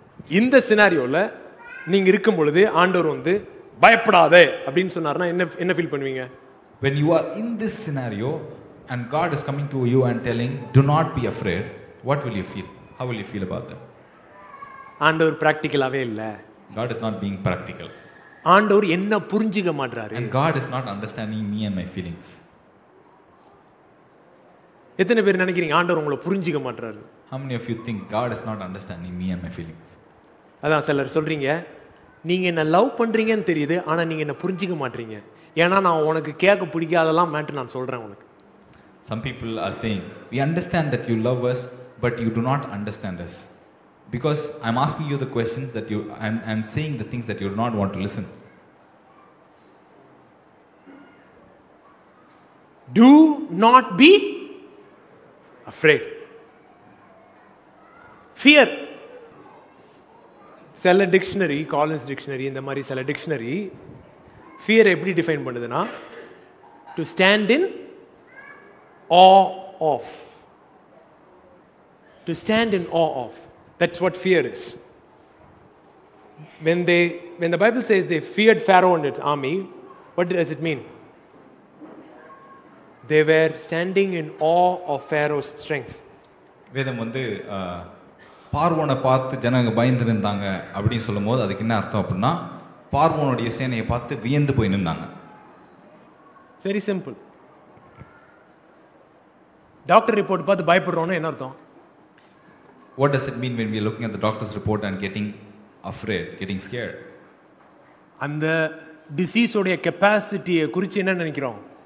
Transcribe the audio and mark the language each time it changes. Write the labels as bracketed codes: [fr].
[ta] இந்த சினாரியோல நீங்க இருக்கும் பொழுது ஆண்டவர் வந்து பயப்படாதே அப்படின்னு சொன்னார்னா என்ன ஃபீல் பண்ணுவீங்க? [en] When you are in this scenario and God is coming to you and telling, do not be afraid, what will you feel? How will you feel about that? [ta] ஆண்டவர் பிராக்டிக்கலாவே இல்ல. [en] God is not being practical. [ta] ஆண்டவர் என்ன புரிஞ்சிக்க மாட்டறாரு. [en] And God is not understanding me and my feelings. [ta] எத்தனை பேர் நினைக்கிறீங்க ஆண்டவர் உங்களை புரிஞ்சிக்க மாட்டறாரு? [en] How many of you think God is not understanding me and my feelings? [ta] அதான் சிலர் சொல்றீங்க, நீங்க என்ன லவ் பண்றீங்கன்னு தெரியுது, ஆனா நீங்க என்ன புரிஞ்சிக்க மாட்டறீங்க. ஏன்னா நான் உனக்கு கேட்க பிடிக்காதெல்லாம் மேட்டர் நான் சொல்றேன் உனக்கு. [en] Some people are saying, we understand that you love us, but you do not understand us. Because I'm asking you the questions that you, I'm saying the things that you do not want to listen. Do not be afraid. Fear. [ta] சில dictionary, Collins dictionary இந்த மாதிரி சில dictionary fear எப்படி define பண்ணுதுன்னா, [en] To stand in awe of, to stand in awe of, that's what fear is. When the Bible says they feared Pharaoh and its army, what does it mean? They were standing in awe of Pharaoh's strength. [ta] வேதம் வந்து பார்வோனை பார்த்து ஜனங்க பயந்துருந்தாங்க அப்படின்னு சொல்லும் போது அதுக்கு என்ன அர்த்தம் அப்படின்னா, பார்வோனுடைய சேனையை பார்த்து வியந்து போய் நின்றாங்க. [en] Very simple. [ta] டாக்டர் ரிப்போர்ட் பார்த்து பயப்படுறோன்னு என்ன அர்த்தம்? [en] What does it mean when we are looking at the doctor's report and getting afraid, getting scared? [ta] அந்த டிசீஸ் உடைய கெப்பாசிட்டியை குறித்து என்ன நினைக்கிறோம்?